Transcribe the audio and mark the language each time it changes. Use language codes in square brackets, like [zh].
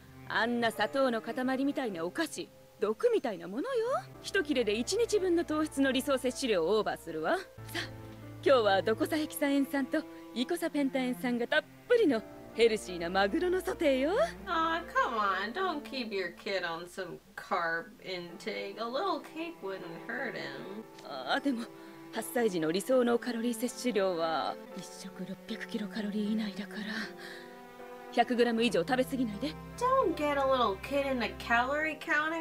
[ja] あんな砂糖の塊みたいなお菓子、毒みたいなものよ。一切れで1日分の糖質の理想摂取量をオーバーするわ。さあ今日はドコサヘキサエン酸とイコサペンタエン酸がたっぷりのヘルシーなマグロのソテーよ。 [en] Aw, come on. Don't keep your kid on some carb intake. A little cake wouldn't hurt him. [ja] ああ、でも、8歳児の理想のカロリー摂取量は1食600キロカロリー以内だから、100グラム以上食べ過ぎないで。 [en] Don't get a little kid into calorie counting.